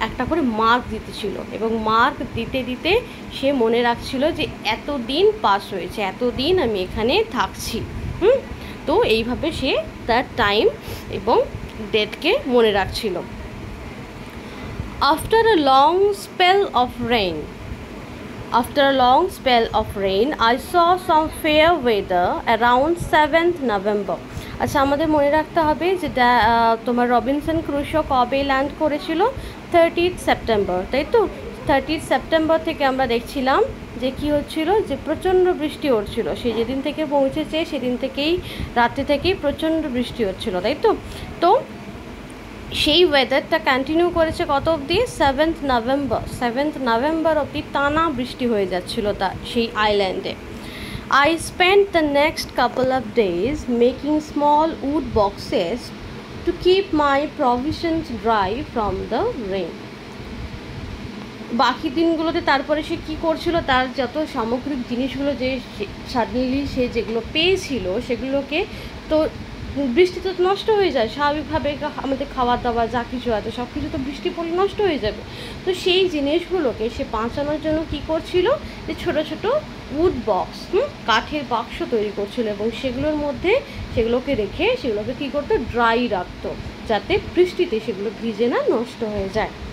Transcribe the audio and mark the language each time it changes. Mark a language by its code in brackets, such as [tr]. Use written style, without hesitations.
[bn] করে মার্ক দিতেছিল এবং মার্ক দিতে দিতে সে মনে রাখছিল যে এত দিন পাস হয়েছে, এত দিন আমি এখানে থাকছি। তো এইভাবে সে তার টাইম এবং ডেটকে মনে রাখছিল। [en] After a long spell of rain, After a long spell of rain, I saw some fair weather around 7th November. [bn] আচ্ছা আমাদের মনে রাখতে হবে যে তোমার রবিনসন ক্রুশো কবে ল্যান্ড করেছিল 30th September, তাই তো 30th September থেকে আমরা দেখছিলাম যে কী হচ্ছিল, যে প্রচণ্ড বৃষ্টি হচ্ছিলো। সে যেদিন থেকে পৌঁছেছে সেদিন থেকেই রাত্রি থেকেই প্রচণ্ড বৃষ্টি হচ্ছিলো, তাই তো? তো সেই ওয়েদারটা কন্টিনিউ করেছে কত অবধি, 7th November অবধি টানা বৃষ্টি হয়ে যাচ্ছিলো তা সেই আইল্যান্ডে। [en] I spent the next couple of days making small wood boxes to keep my provisions dry from the rain. [bn] বাকি দিনগুলোতে তারপরে সে কী করছিল, তার যত সামগ্রিক জিনিসগুলো যে সাডেনলি সে যেগুলো পেয়েছিল সেগুলোকে তো বৃষ্টি তো নষ্ট হয়ে যায় স্বাভাবিকভাবে, আমাদের খাওয়া দাওয়া যা কিছু আছে সব কিছু তো বৃষ্টি পড়লে নষ্ট হয়ে যাবে। তো সেই জিনিসগুলোকে সে বাঁচানোর জন্য কী করছিল, যে ছোটো ছোটো উড বক্স, কাঠের বাক্স তৈরি করছিল এবং সেগুলোর মধ্যে সেগুলোকে রেখে সেগুলোকে কী করতো, ড্রাই রাখতো যাতে বৃষ্টিতে সেগুলো ভিজে না নষ্ট হয়ে যায়।